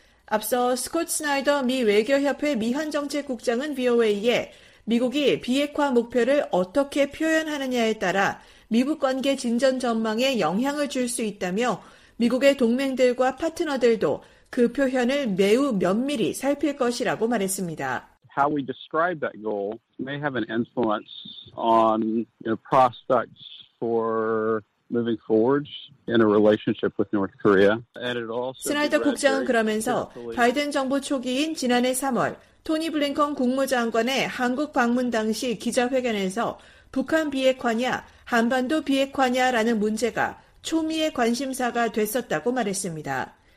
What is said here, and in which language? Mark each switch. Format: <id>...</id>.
<ko>앞서 스콧 스나이더 미 외교협회 미한정책국장은 VOA에 미국이 비핵화 목표를 어떻게 표현하느냐에 따라 미북관계 진전 전망에 영향을 줄 수 있다며 미국의 동맹들과 파트너들도 그 표현을 매우 면밀히 살필 것이라고 말했습니다.</ko> <en>How we describe that goal may have an influence on prospects for moving forward in a relationship with North Korea.</en> <ko>스나이더 국장은 그러면서 바이든 정부 초기인 지난해 3월 토니 블링컨 국무장관의 한국 방문 당시 기자회견에서 북한 비핵화냐 한반도 비핵화냐라는 문제가 초미의 관심사가 됐었다고 말했습니다.</ko>